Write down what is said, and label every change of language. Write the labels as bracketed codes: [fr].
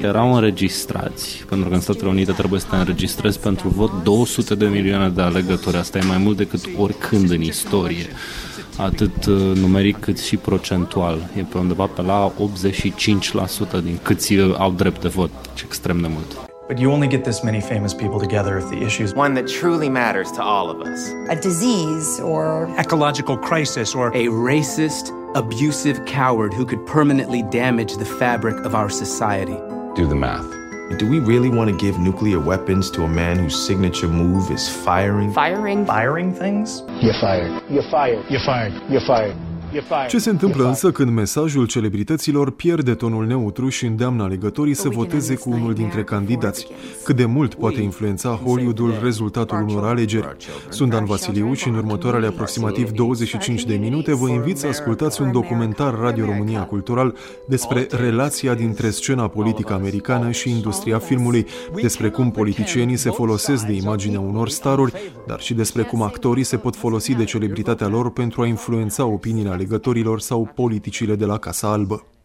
[ro] Erau înregistrați, pentru că în Statele Unite trebuie să te înregistrezi pentru vot 200 de milioane de alegători. Asta e mai mult decât oricând în istorie. Atât numeric cât și procentual. E pe undeva pe la 85% din câți au drept de vot. E extrem de mult. [en] But you only get this many famous people together if the issue is one that truly matters to all of us. A disease or ecological crisis or a racist, abusive coward who could permanently damage the fabric of our society. Do the math. Do we really want to give nuclear weapons to a man whose signature move is firing? Firing? Firing things? You're fired. You're fired. You're fired. You're fired. [ro] Ce se întâmplă însă când mesajul celebrităților pierde tonul neutru și îndeamnă alegătorii să voteze cu unul dintre candidați? Cât de mult poate influența Hollywood-ul rezultatul unor alegeri? Sunt Dan Vasiliu și în următoarele aproximativ 25 de minute vă invit să ascultați un documentar Radio România Cultural despre relația dintre scena politică americană și industria filmului, despre cum politicienii se folosesc de imaginea unor staruri, dar și despre cum actorii se pot folosi de celebritatea lor pentru a influența opiniile alegătorilor sau politicile de la Casa Albă.